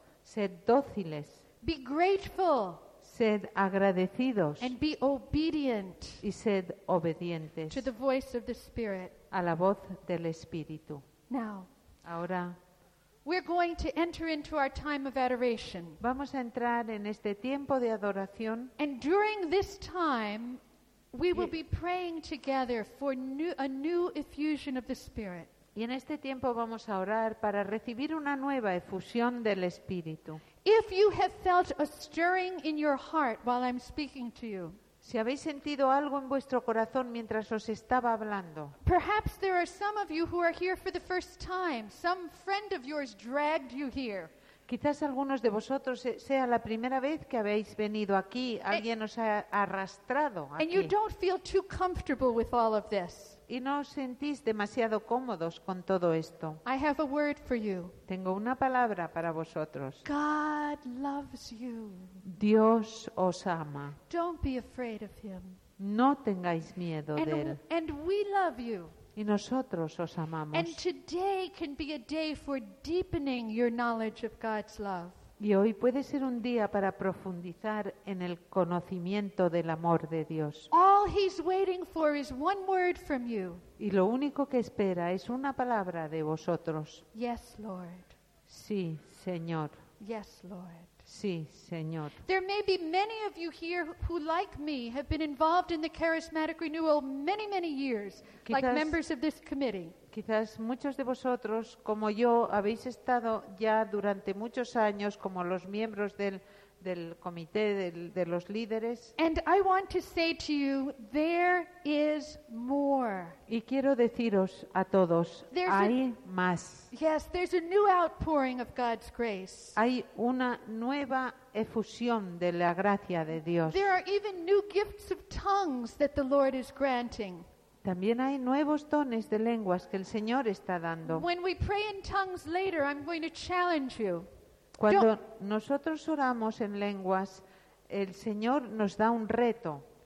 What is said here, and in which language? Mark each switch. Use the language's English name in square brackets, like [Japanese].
[Spanish] Sed dóciles. [English] Be grateful. [Spanish] Sed agradecidos. [English] And be obedient. [Spanish] Y sed obedientes. [English] To the voice of the Spirit. [Spanish] A la voz del Espíritu. [English] Now. [Spanish] Ahora. [English] We're going to enter into our time of adoration. [Spanish] Vamos a entrar en este tiempo de adoración. [English] And during this time, we will be praying together for a new effusion of the Spirit. [Spanish] Y en este tiempo vamos a orar para recibir una nueva efusión del Espíritu. [English] If you have felt a stirring in your heart while I'm speaking to you. [Spanish] Si habéis sentido algo en vuestro corazón mientras os estaba hablando. [English] Perhaps there are some of you who are here for the first time. Some friend of yours dragged you here. [Spanish] Quizás algunos de vosotros sea la primera vez que habéis venido aquí, alguien os ha arrastrado aquí. [English] And you don't feel too comfortable with all of this. [Spanish] Y no os sentís demasiado cómodos con todo esto. [English] I have a word for you. [Spanish] Tengo una palabra para vosotros. [English] God loves you. [Spanish] Dios os ama. [English] Don't be afraid of him. [Spanish] No tengáis miedo de él. [English] And we love you. [Spanish] Y nosotros os amamos. [English] And today can be a day for deepening your knowledge of God's love. [Spanish] Y hoy puede ser un día para profundizar en el conocimiento del amor de Dios. [English] All he's waiting for is one word from you. [Spanish] Y lo único que espera es una palabra de vosotros. [English] Yes, Lord. [Spanish] Sí, Señor. [English] Yes, Lord. [Spanish] Sí, Señor. [English] There may be many of you here who, like me, have been involved in the charismatic renewal many, many years, [Spanish] quizás, [English] like members of this committee. [Spanish] Quizás muchos de vosotros, como yo, habéis estado ya durante muchos años como los miembros del comité de los líderes. [English] And I want to say to you, there is more. [Spanish] Y quiero deciros a todos, hay más. [English] Yes, there's a new outpouring of God's grace. [Spanish] Hay una nueva efusión de la gracia de Dios. [English] There are even new gifts of tongues that the Lord is granting. [Spanish] También hay nuevos dones de lenguas que el Señor está dando. [English] When we pray in tongues later, I'm going to challenge you. [Spanish] Cuando nosotros oramos en lenguas, el Señor nos da un reto.